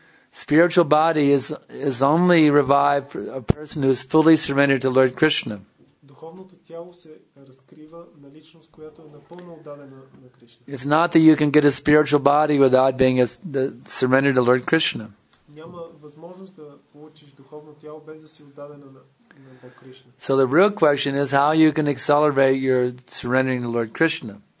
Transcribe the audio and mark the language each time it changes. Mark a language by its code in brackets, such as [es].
[en] Spiritual body is only revived for a person who is fully surrendered to Lord Krishna. [bg] Духовното тяло се разкрива на личност, която е напълно отдадена на Кришна. [en] It's not that you can get a spiritual body without being surrendered to Lord Krishna. [bg] Няма възможност да получиш духовно тяло без да си отдадена на Бог Кришна. [en] So the real question is how you can accelerate your surrendering to Lord Krishna.